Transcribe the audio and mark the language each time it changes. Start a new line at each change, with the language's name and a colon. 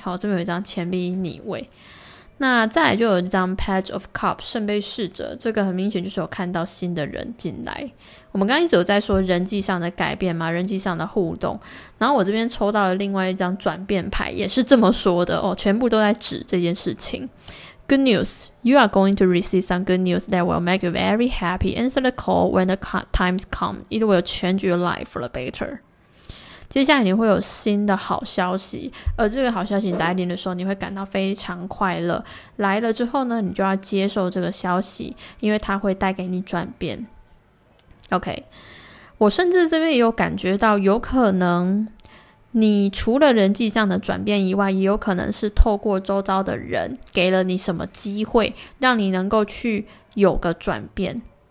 Chinese: 好，这边有一张钱币逆位，那再来就有一张 Page of Cups 圣杯侍者，这个很明显就是有看到新的人进来。我们刚刚一直有在说人际上的改变嘛，人际上的互动，然后我这边抽到了另外一张转变牌也是这么说的哦，全部都在指这件事情。
English: Good news, you are going to receive some good news that will make you very happy. Answer the call when the times come. It will change your life for the better.
Chinese: 接下来你会有新的好消息，而这个好消息来临的时候你会感到非常快乐，来了之后呢你就要接受这个消息，因为它会带给你转变。 OK， 我甚至这边也有感觉到有可能你除了人际上的转变以外，也有可能是透过周遭的人给了你什么机会让你能够去有个转变，